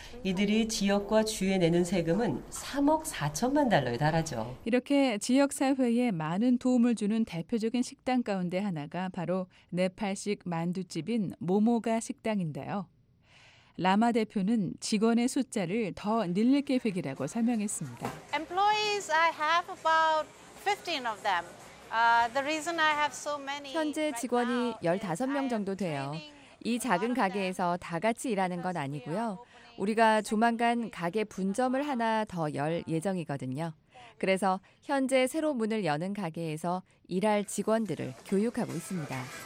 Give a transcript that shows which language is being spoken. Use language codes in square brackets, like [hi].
[ko] 이들이 지역과 주에 내는 세금은 3억 4천만 달러에 달하죠. 이렇게 지역사회에 많은 도움을 주는 대표적인 식당 가운데 하나가 바로 네팔식 만두집인 모모가 식당인데요. 라마 대표는 직원의 숫자를 더 늘릴 계획이라고 설명했습니다. [en] Employees, I have about 15 of them. The reason I have so many [ko] 현재 직원이 15명 정도 돼요. 이 작은 가게에서 다 같이 일하는 건 아니고요. 우리가 조만간 가게 분점을 하나 더 열 예정이거든요. 그래서 현재 새로 문을 여는 가게에서 일할 직원들을 교육하고 있습니다.